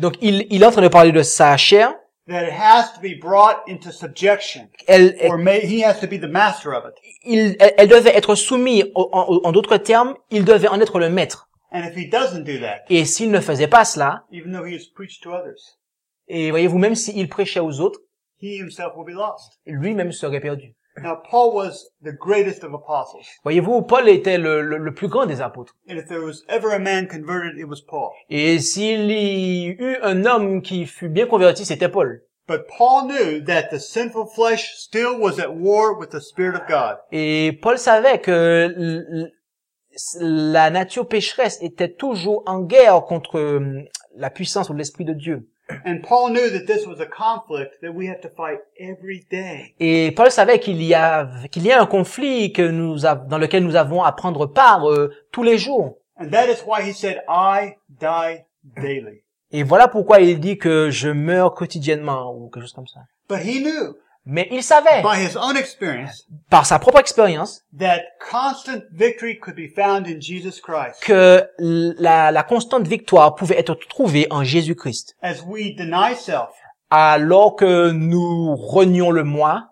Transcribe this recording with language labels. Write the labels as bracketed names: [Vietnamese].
[French] Donc il est en train de parler de sa chair. [English] That it has to be brought into subjection. He has to be the master of it. [French] Elle devait être soumise, en d'autres termes, il devait en être le maître. [English] And if he doesn't do that. [French] Et s'il ne faisait pas cela. [English] Even though he has preached to others. [French] Et voyez-vous, même s'il prêchait aux autres, [English] he himself will be lost. [French] Lui-même serait perdu. [English] Now, Paul was the greatest of apostles. [French] Voyez-vous, Paul était le plus grand des apôtres. [English] And if there was ever a man converted, it was Paul. [French] Et s'il y eut un homme qui fut bien converti, c'était Paul. [English] But Paul knew that the sinful flesh still was at war with the Spirit of God. [French] Et Paul savait que la nature pécheresse était toujours en guerre contre la puissance ou l'Esprit de Dieu. [English] And Paul knew that this was a conflict that we have to fight every day. [French] Et Paul savait qu'il y a un conflit que nous dans lequel nous avons à prendre part tous les jours. [English] And that is why he said, I die daily. [French] Et voilà pourquoi il dit que je meurs quotidiennement ou quelque chose comme ça. [English] But he knew, [French] mais il savait, [English] by his own experience, [French] par sa propre expérience, [English] that constant victory could be found in Jesus Christ. [French] Que la constante victoire pouvait être trouvée en Jésus-Christ. [English] As we deny self, [French] alors que nous renions le moi,